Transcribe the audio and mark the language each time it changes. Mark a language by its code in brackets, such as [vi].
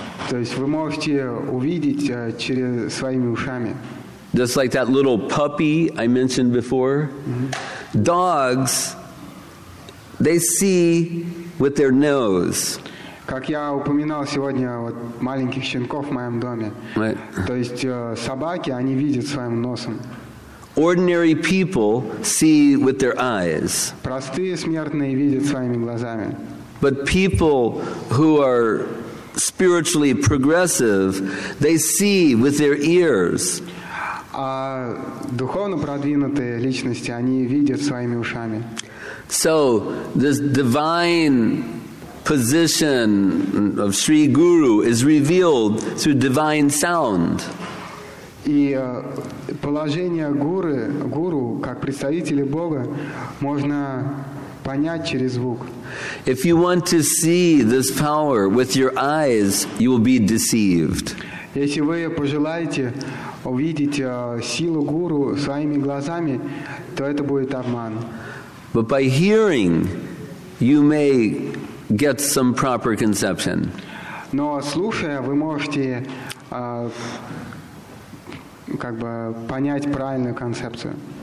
[ru] То есть вы можете увидеть через своими ушами. [en] Just like that little puppy I mentioned before. Mm-hmm. Dogs, they see with their nose. [ru] Как я упоминал сегодня вот маленьких щенков в моем доме. [en] Right. [ru] То есть собаки, они видят своим носом. [en] Ordinary people see with their eyes. [ru] Простые смертные видят своими глазами. [en] But people who are spiritually progressive, they see with their ears. [ru] А духовно продвинутые личности, они видят своими ушами. [en] So this divine position of Sri Guru is revealed through divine sound. [ru] И положение гуру как представителя Бога можно понять через звук. [en] If you want to see this power with your eyes, you will be deceived. [ru] Если вы пожелаете увидеть силу гуру своими глазами, то это будет обман. [en] But by hearing, you may get some proper conception. [ru] Но слушая, вы можете как бы понять правильную концепцию.